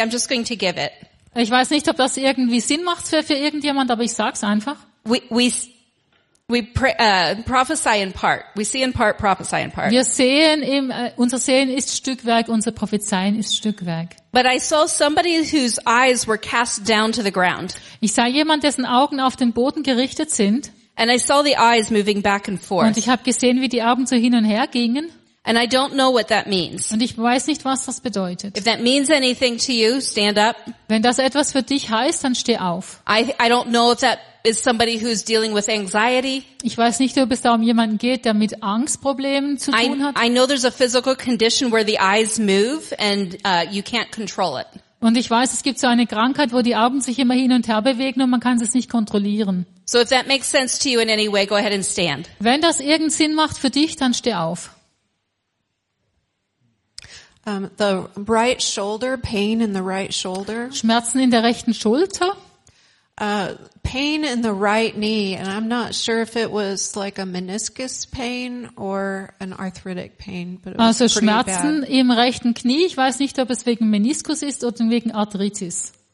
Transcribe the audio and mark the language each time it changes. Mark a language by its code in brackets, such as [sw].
[en] I'm just going to give it. [de] Ich weiß nicht, ob das irgendwie Sinn macht für irgendjemand, aber ich sag's einfach. [en] We prophesy in part. We see in part, prophesy in part. [de] Wir sehen im unser Sehen ist Stückwerk, unser Prophezeien ist Stückwerk. [en] But I saw somebody whose eyes were cast down to the ground. [de] Ich sah jemand, dessen Augen auf den Boden gerichtet sind. [en] And I saw the eyes moving back and forth. [de] Und ich habe gesehen, wie die Augen so hin und her gingen. [en] And I don't know what that means. [de] Und ich weiß nicht, was das bedeutet. [en] If that means anything to you, stand up. [de] Wenn das etwas für dich heißt, dann steh auf. [en] I don't know if that is somebody who's dealing with anxiety. [de] Ich weiß nicht, ob es da um jemanden geht, der mit Angstproblemen zu tun hat. [en] I know there's a physical condition where the eyes move and you can't control it. [de] Und ich weiß, es gibt so eine Krankheit, wo die Augen sich immer hin und her bewegen und man kann es nicht kontrollieren. [en] So if that makes sense to you in any way, go ahead and stand. [de] Wenn das irgendeinen Sinn macht für dich, dann steh auf. [en] The right shoulder, pain in the right shoulder. [de] Schmerzen in der rechten Schulter. [en] Pain in the right knee, and I'm not sure if it was like a meniscus pain or an arthritic pain, but it was [de] also Schmerzen [en] bad. [de] Im rechten Knie. Ich weiß nicht, ob es wegen Meniskus ist oder wegen Arthritis.